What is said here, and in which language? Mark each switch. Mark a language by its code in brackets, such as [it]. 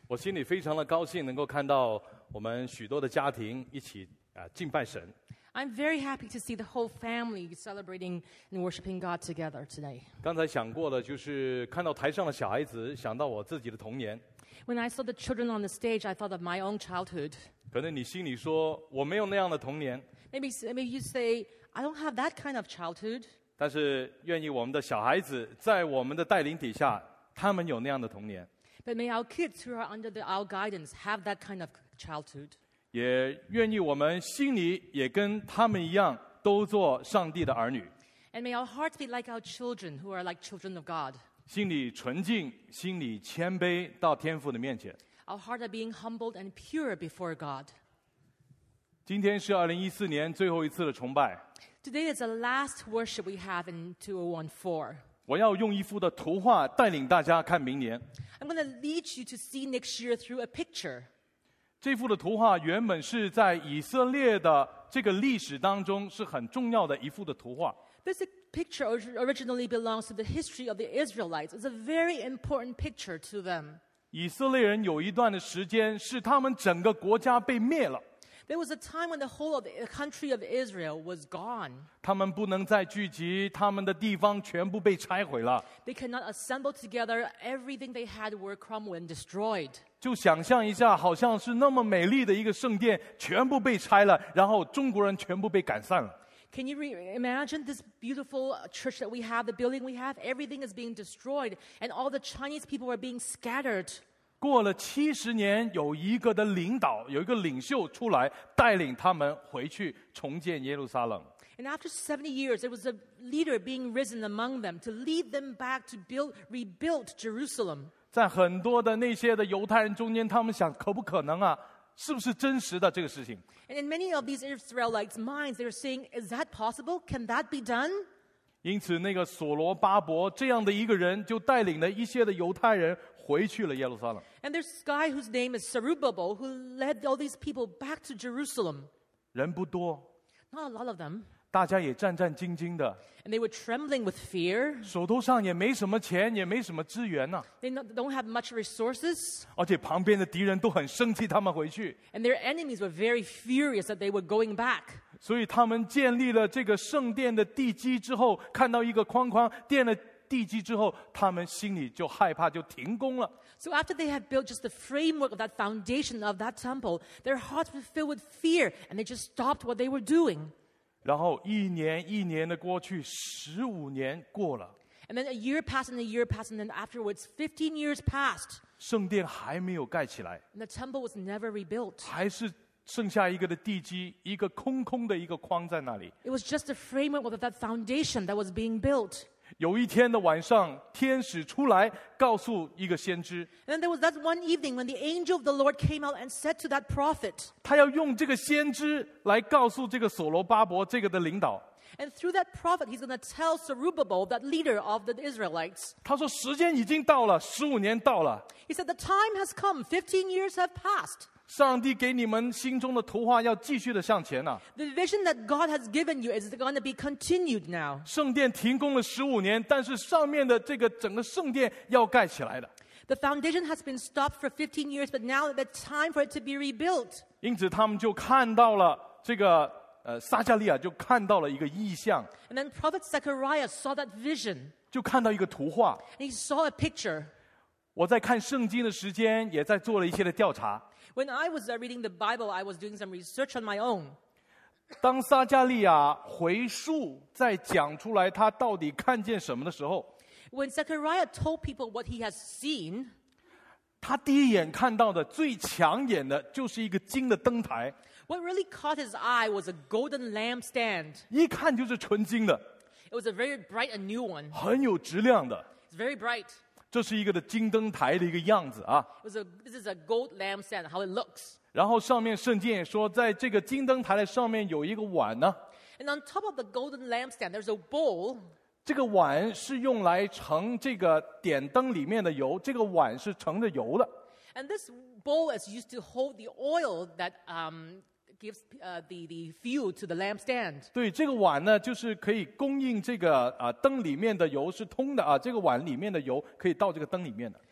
[zh] 我心里非常的高兴能够看到我们许多的家庭一起敬拜神。 [en] I'm very happy to see the whole family celebrating and worshiping God together today. [zh] 刚才想过了，就是看到台上的小孩子，想到我自己的童年。 [en] When I saw the children on the stage, I thought of my own childhood. [zh] 可能你心里说，我没有那样的童年。 [en] Maybe you say, I don't have that kind of childhood. [zh] 但是愿意我们的小孩子在我们的带领底下，他们有那样的童年。 [en] But may our kids who are under our guidance have that kind of childhood. [zh] 也愿意我们心里也跟他们一样都做上帝的儿女。 [en] And may our hearts be like our children who are like children of God. [zh] 心里纯净，心里谦卑到天父的面前。 [en] Our hearts are being humbled and pure before God. [zh] 今天是2014年最后一次的崇拜。 [en] Today is the last worship we have in 2014. [zh] 我要用一幅的图画带领大家看明年。 [en] I'm going to lead you to see next year through a picture. [zh] 这幅的图画原本是在以色列的这个历史当中是很重要的一幅的图画。 [en] This picture originally belongs to the history of the Israelites. It's a very important picture to them. [zh] 以色列人有一段的时间是他们整个国家被灭了。 [en] There was a time when the whole of the country of Israel was gone. [zh] 他们不能再聚集，他们的地方全部被拆毁了。 [en] They cannot assemble together. Everything they had were crumbled and destroyed. [zh] 就想象一下，好像是那么美丽的一个圣殿，全部被拆了，然后中国人全部被赶散了。 [en] Can you imagine this beautiful church that we have, the building we have? Everything is being destroyed, and all the Chinese people are being scattered. [zh] 过了七十年，有一个的领导，有一个领袖出来，带领他们回去重建耶路撒冷。 [en] And after 70 years, there was a leader being risen among them to lead them back to rebuild Jerusalem. [zh] 在很多的那些的犹太人中间，他们想可不可能啊？是不是真实的这个事情 [en] ？And in many of these Israelites' minds, they're saying, "Is that possible? Can that be done?" [zh] 因此，那个所罗巴伯这样的一个人，就带领了一些的犹太人回去了耶路撒冷。 [en] And there's a guy whose name is Zerubbabel, who led all these people back to Jerusalem. [zh] 人不多 [en] ，not a lot of them. [zh] 大家也战战兢兢的。 [en] And they were trembling with fear. [zh] 手头上也没什么钱，也没什么资源呢。 [en] They don't have much resources. [zh] 而且旁边的敌人都很生气，他们回去。 [en] And their enemies were very furious that they were going back. [zh] 所以他们建立了这个圣殿的地基之后，看到一个框框，垫了地基之后，他们心里就害怕，就停工了。 [en] So after they had built just the framework of that foundation of that temple, their hearts were filled with fear, and they just stopped what they were doing. [zh] 然后一年一年的过去，十五年过了。 [en] And then a year passed, and a year passed, and then afterwards, 15 years passed. [zh] 圣殿还没有盖起来。 [en] And the temple was never rebuilt. [zh] 还是剩下一个的地基，一个空空的一个框在那里。 [en] It was just a framework of that foundation that was being built. [zh] 有一天的晚上，天使出来告诉一个先知。 [en] And then there was that one evening when the angel of the Lord came out and said to that prophet. [zh] 他要用这个先知来告诉这个所罗巴伯这个的领导。 [en] And through that prophet, he's going to tell Zerubbabel, that leader of the Israelites. [zh] 他说时间已经到了，十五年到了。 [en] He said the time has come. 15 years have passed. [zh] 上帝给你们心中的图画要继续的向前啊。 [en] The vision that God has given you is going to be continued now. [zh] 圣殿停工了十五年，但是上面的这个整个圣殿要盖起来的。 [en] The foundation has been stopped for 15 years, but now the time for it to be rebuilt. [zh] 因此他们就看到了这个撒迦利亚就看到了一个异象。 [en] And then Prophet Zechariah saw that vision. [zh] 就看到一个图画。 [en] And he saw a picture. [zh] 我在看圣经的时间也在做了一些的调查。 [en] When I was reading the Bible, I was doing some research on my own. [zh] 当撒迦利亚回述在讲出来他到底看见什么的时候 [en] ,When Zechariah told people what he has seen, [zh] 他第一眼看到的最抢眼的就是一个金的灯台。 [en] What really caught his eye was a golden lampstand. [zh] 一看就是纯金的。 [en] It was a very bright and new one. [zh] 很有质量的。 [en] It's very bright. [zh] 这是一个的金灯台的一个样子啊。 [en] This is a gold lampstand, how it looks. [zh] 然后上面圣经也说，在这个金灯台的上面有一个碗呢。 [en] And on top of the golden lampstand, there's a bowl. [zh] 这个碗是用来盛这个点灯里面的油，这个碗是盛着油的。 [en] And this bowl is used to hold the oil that gives the fuel to the lampstand. [zh] 对，这个碗呢，就是可以供应这个灯里面的油是通的啊。这个碗里面的油可以到这个灯里面的。